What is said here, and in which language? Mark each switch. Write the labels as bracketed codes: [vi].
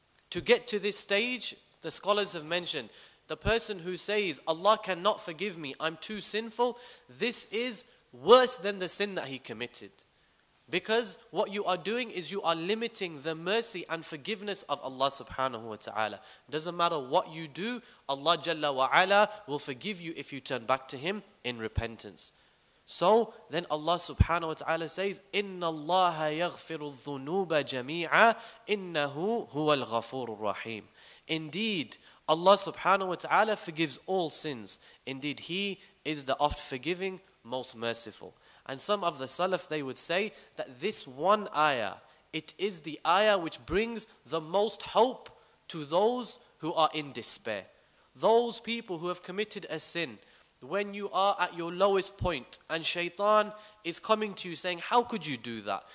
[en] To get to this stage, the scholars have mentioned, the person who says, Allah cannot forgive me, I'm too sinful, this is worse than the sin that he committed. Because what you are doing is you are limiting the mercy and forgiveness of Allah subhanahu wa ta'ala. Doesn't matter what you do, Allah jalla wa ala will forgive you if you turn back to Him in repentance. So then Allah subhanahu wa ta'ala says, [ar] إِنَّ اللَّهَ يَغْفِرُ الذُّنُوبَ جَمِيعًا إِنَّهُ هُوَ الْغَفُورُ الرَّحِيمُ. [en] Indeed, Allah subhanahu wa ta'ala forgives all sins. Indeed, He is the oft forgiving, most merciful. And some of the Salaf, they would say that this one ayah, it is the ayah which brings the most hope to those who are in despair. Those people who have committed a sin, when you are at your lowest point and shaitan is coming to you saying, how could you do that?